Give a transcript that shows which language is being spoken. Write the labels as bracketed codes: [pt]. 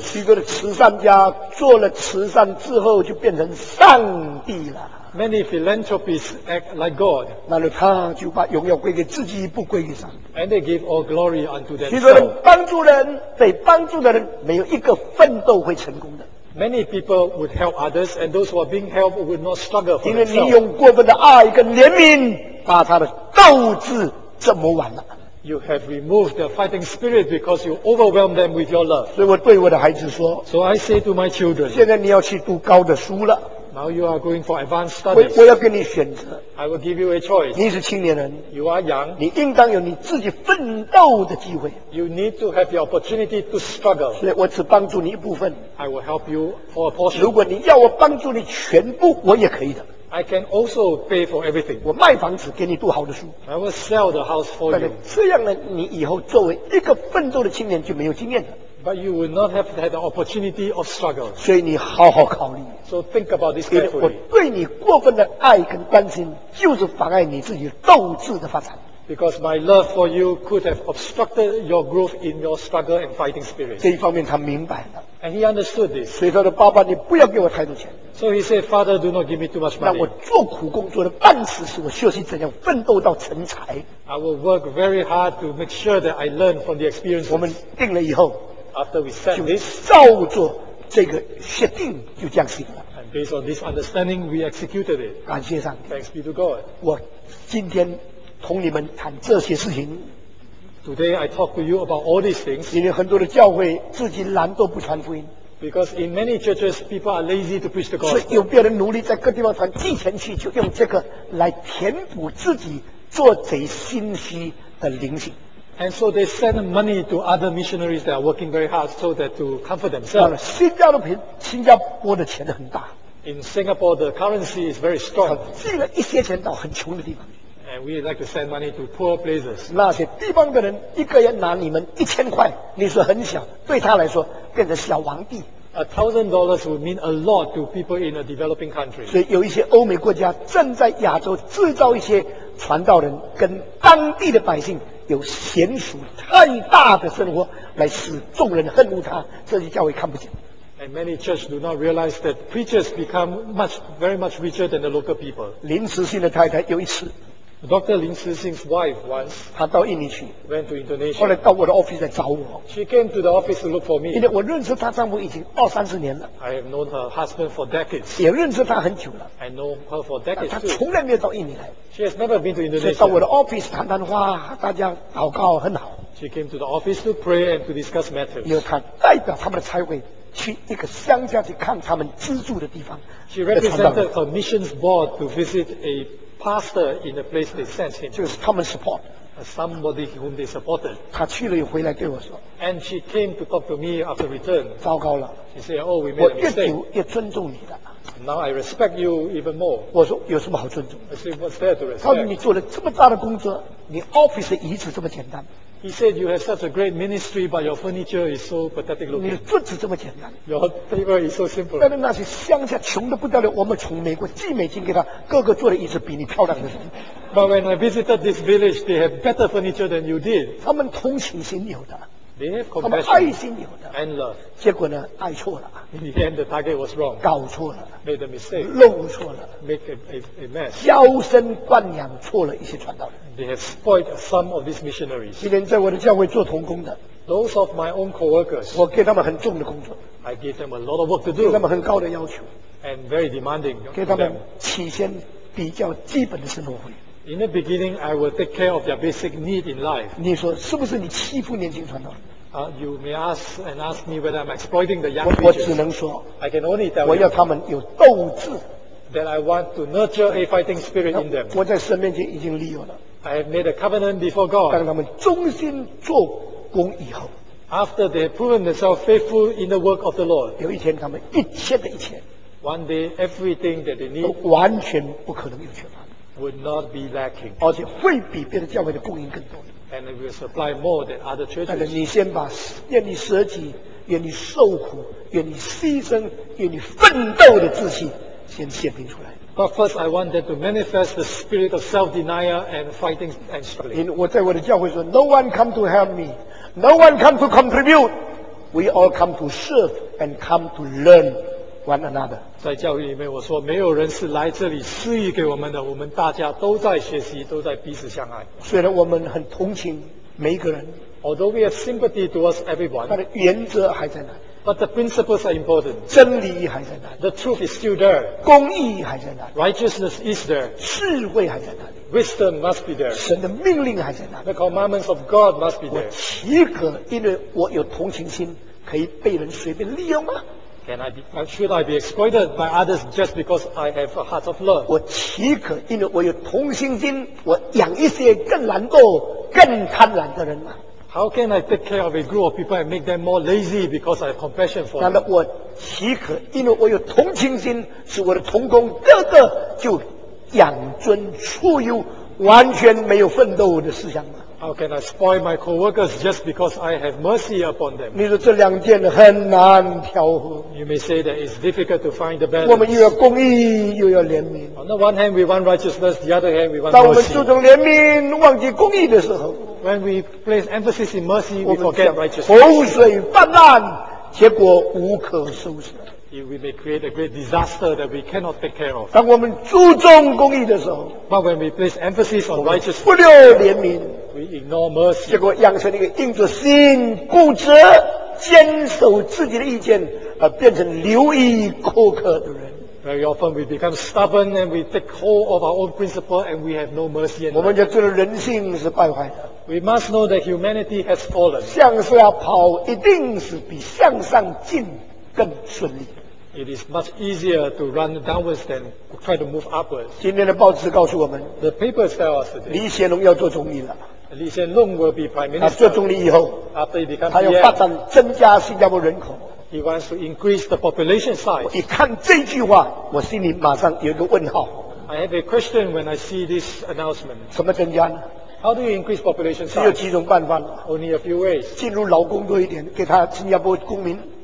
[zh] 许多的慈善家做了慈善之后就变成上帝了。 [en] Many philanthropists act like God. [zh] 那么他就把荣耀归给自己，不归给神。 [en] And they give all glory unto themselves. [zh] 许多人帮助人，被帮助的人没有一个奋斗会成功的。 [en] Many people would help others, and those who are being helped would not struggle for themselves. [zh] 因为你用过分的爱跟怜悯，把他的斗志折磨完了。 [en] You have removed the fighting spirit because you overwhelm them with your love. [zh] 所以我对我的孩子说 [en] ，So I say to my children. [zh] 现在你要去读高的书了。 [en] Now you are going for advanced studies. [zh] 我要给你选择。 [en] I will give you a choice. [zh] 你是青年人。 [en] You are young. [zh] 你应当有你自己奋斗的机会。 [en] You need to have the opportunity to struggle. [zh] 所以我只帮助你一部分。 [en] I will help you for a portion. [zh] 如果你要我帮助你全部，我也可以的。 [en] I can also pay for everything. [zh] 我卖房子给你读好的书。 [en] I will sell the house for you. [zh] 这样呢，你以后作为一个奋斗的青年就没有经验了。 [en] But you will not have had the opportunity of struggle. [zh] 所以你好好考虑。 [en] So think about this carefully. [zh] 我对你过分的爱跟关心，就是妨碍你自己斗志的发展。 [en] Because my love for you could have obstructed your growth in your struggle and fighting spirit. [zh] 这一方面他明白了。 [en] And he understood this. [zh] 所以他说：“爸爸，你不要给我太多钱。” [en] So he said, "Father, do not give me too much money." [zh] 那我做苦工作的半死，使我学习怎样奋斗到成才。 [en] I will work very hard to make sure that I learn from the experience. [zh] 我们定了以后。 [en] After we set this, [zh] 就照做这个协定就这样行了。 [en] And based on this understanding, we executed it. [zh] 感谢上帝。 [en] Thanks be to God. [zh] 我今天同你们谈这些事情。 [en] Today I talk to you about all these things. [zh] 因为很多的教会自己懒惰不传福音。 [en] Because in many churches, people are lazy to preach the gospel. [zh] 所以有别人努力在各地方传，寄钱去就用这个来填补自己做贼心虚的灵性。 [en] And so they send money to other missionaries that are working very hard so that to comfort themselves. [zh] 新加坡的钱，新加坡的钱很大。 [en] In Singapore, the currency is very strong. [zh] 寄了一些钱到很穷的地方。 [en] And we like to send money to poor places. [zh] 那些地方的人一个人拿你们1000块，你说很小，对他来说变成小皇帝。 [en] $1,000 would mean a lot to people in a developing country. [zh] 所以有一些欧美国家正在亚洲制造一些传道人跟当地的百姓。有娴熟太大的生活来使众人恨恶他，这些教会看不见。 [en] And many churches do not realize that preachers become much, very much richer than the local people. [zh] 林慈信的太太有一次 [en] ，Dr. 林慈信's wife once， [zh] 她到印尼去 [en] ，went to Indonesia， [zh] 后来到我的 office 来找我。 [en] She came to the office to look for me. [zh] 因为我认识她丈夫已经20-30年了。 [en] I have known her husband for decades. [zh] 也认识她很久了。 [en] I know her for decades too. [zh] 她从来没有到印尼来。 [en] She has never been to Indonesia. [zh] 到我的 office 谈谈话，大家祷告很好。 [en] She came to the office to pray and to discuss matters. [zh] 因为她代表他们的差会去一个乡下去看他们居住的地方。 [en] She represented her missions board to visit a pastor in the place they sent him. [zh] 就是他们 support. [en] Somebody whom they supported. [zh] 她去了又回来对我说。 [en] And she came to talk to me after return. [zh] 糟糕了。 [en] She said, "Oh, we made a mistake." [zh] 我越久越尊重你的。 [en] Now I respect you even more. [zh] 我说有什么好尊重？ [en] I say, what's there to respect? [zh] 告诉你做了这么大的工作，你 office 的椅子这么简单。 [en] He said you have such a great ministry, but your furniture is so pathetic looking. [zh] 你的桌子这么简单。 [en] Your table is so simple. [zh] 但是那些乡下穷得不得了，我们从美国寄美金给他，个个坐的椅子比你漂亮的。 [en] But when I visited this village, they have better furniture than you did. [zh] 他们同情心有的。 [en] They have compassion. [zh] 他们爱心有的。 [en] And love. [zh] 结果呢，爱错了。 [en] In the end, the target was wrong. [zh] 搞错了。 [en] Made a mistake. [zh] 弄错了。 [en] Make a mess. [zh] 娇生惯养错了一些传道人。 [en] They have spoiled some of these missionaries. [zh] 今天在我的教会做同工的。 [en] Those of my own co-workers. [zh] 我给他们很重的工作。 [en] I gave them a lot of work to do. [zh] 给他们很高的要求。 [en] And very demanding. [zh] 给他们起先比较基本的生活费。 [en] In the beginning, I will take care of their basic need in life. [zh] 你说是不是你欺负年轻传道人？ [en] You may ask and ask me whether I'm exploiting the young people. [zh] 我只能说 [en] ，I can only tell. [zh] 我要他们有斗志 [en] ，that I want to nurture a fighting spirit in them. [zh] 我在神面前已经立约了。 [en] I have made a covenant before God. [zh] 当他们忠心做工以后 [en] After they have proven themselves faithful in the work of the Lord, [zh] 有一天他们一切的一切 [en] one day everything that they need [zh] 都完全不可能有缺乏 [en] would not be lacking, [zh] 而且会比别的教会的供应更多 [en] and it will supply more than other churches. [zh] 但是你先把愿你舍己、愿你受苦、愿你牺牲、愿你奋斗的自信先显明出来。 [en] But first, I want them to manifest the spirit of self-denial and fighting and struggling. [zh] 我在我的教会说 [en] ,No one come to help me. No one come to contribute. We all come to serve and come to learn one another. [zh] 在教会里面我说没有人是来这里施予给我们的我们大家都在学习都在彼此相爱。虽然我们很同情每一个人 [en] ,Although we have sympathy towards everyone, [zh] 但是原则还在那里。 [en] But the principles are important. [zh] 真理还在那里。 [en] The truth is still there. [zh] 公义还在那里。 [en] Righteousness is there. [zh] 智慧还在那里。 [en] Wisdom must be there. [zh] 神的命令还在那里。 [en] The commandments of God must be there. [zh] 我岂可因为我有同情心可以被人随便利用吗？ [en] Should I be exploited by others just because I have a heart of love? [zh] 我岂可因为我有同情心我养一些更懒惰更贪婪的人吗？ [en] How can I take care of a group of people and make them more lazy because I have compassion for them? [zh] 难道我岂可因为我有同情心使我的同工个个就养尊处优完全没有奋斗的思想吗？ [en] How can I spoil my co-workers just because I have mercy upon them? [zh] 你说这两件很难调和。 [en] You may say that it's difficult to find the balance. [zh] 我们又要公义又要怜悯。 [en] On the one hand we want righteousness, the other hand we want mercy. [zh] 当我们注重怜悯忘记公义的时候， [en] When we place emphasis in mercy, we forget righteousness. [zh] 洪水泛滥，结果无可收拾。 [en] If we may create a great disaster that we cannot take care of. [zh] 当我们注重公义的时候 [en] ，But when we place emphasis on righteousness, [zh] 不留怜悯 [en] ，we ignore mercy. [zh] 结果养成一个硬着心、固执、坚守自己的意见，而变成流意苛刻的人。 [en] Very often we become stubborn and we take hold of our own principle and we have no mercy. [zh] 我们就知道人性是败坏的。 [en] We must know that humanity has fallen. [zh] 向下跑一定是比向上进更顺利。 [en] It is much easier to run downwards than try to move upwards. [zh] 今天的报纸告诉我们 [en] ，The papers tell us today. [zh] 李显龙要做总理了。 [en] 李显龙 will be prime minister. [zh] 做总理以后 [en] ，After he becomes prime minister, [zh] 他要发展增加新加坡人口。 [en] He wants to increase the population size. [zh] 我一看这句话，我心里马上有一个问号。 [en] I have a question when I see this announcement. [zh] 什么增加呢？ [en] How do you increase population size? [zh] 只有几种办法。 [en] Only a few ways. [zh] 进入劳工多一点，给他新加坡公民。